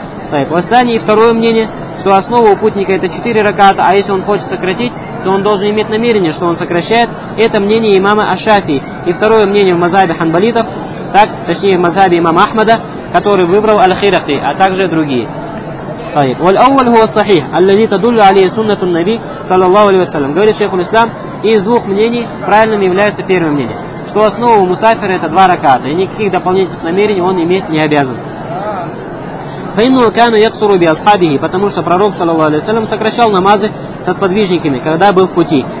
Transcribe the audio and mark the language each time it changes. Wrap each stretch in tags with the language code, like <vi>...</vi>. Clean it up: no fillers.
<ru>Так, в Ассане и второе мнение, что основа у путника это 4 раката, а если он хочет сократить, то он должен иметь намерение, что он сокращает. Это мнение имама Аш-Шафии. И второе мнение в мазхабе ханбалитов, так, точнее в мазхабе имама Ахмада, который выбрал Аль-Хираки, а также другие.</ru> <ar>طيب والأول هو الصحيح الذي تدل عليه سنة النبي صلى الله عليه وسلم.</ar> <ru>Говорит шейх ислам, из двух мнений правильным является первое мнение, что основа у мусафира это 2 раката, и никаких дополнительных намерений он иметь не обязан.</ru> <ar>فإنه كان يقصر بأصحابه,</ar> <ru>потому что пророк</ru> <ar>صلى الله عليه وسلم</ar> <ru>сокращал намазы с подвижниками, когда был в пути.</ru>